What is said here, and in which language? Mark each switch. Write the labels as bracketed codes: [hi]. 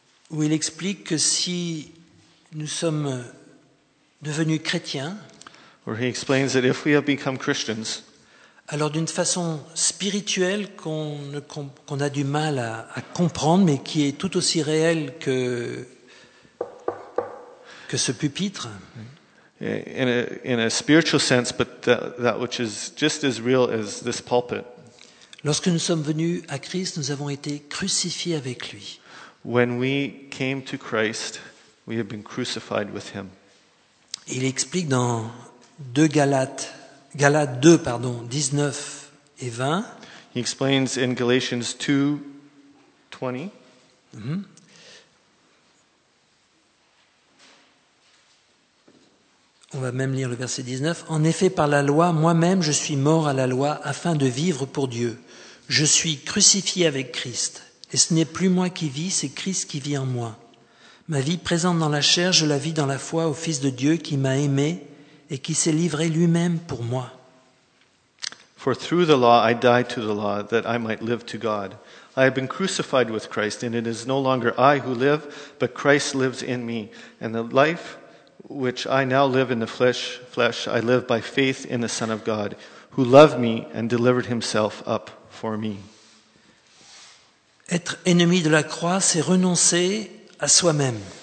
[fr] Où il explique que si nous sommes devenus chrétiens, [en] where he explains that if we have become Christians, [fr] alors d'une façon spirituelle qu'on a du mal à comprendre, mais qui est tout aussi réelle que ce pupitre. [en] In a spiritual sense, but that which is just as real as this pulpit. [fr] Lorsque nous sommes venus à Christ, nous avons été crucifiés avec lui. [en] When we came to Christ, we have been crucified with him. [fr] Il explique dans 2 Galates, Galates 2, pardon, 19 et 20. [en] He explains in Galatians 2, 20. Mm-hmm. [fr] On va même lire le verset 19. « En effet, par la loi, moi-même, je suis mort à la loi afin de vivre pour Dieu. Je suis crucifié avec Christ. Et ce n'est plus moi qui vis, c'est Christ qui vit en moi. Ma vie présente dans la chair, je la vis dans la foi au Fils de Dieu qui m'a aimé et qui s'est livré lui-même pour moi. » [en] For through the law, I die to the law, that I might live to God. I have been crucified with Christ, and it is no longer I who live, but Christ lives in me. And the life which I now live in the flesh, I live by faith in the Son of God, who loved me and delivered himself up for me. [fr] Être ennemi de la croix, c'est renoncer à soi-même.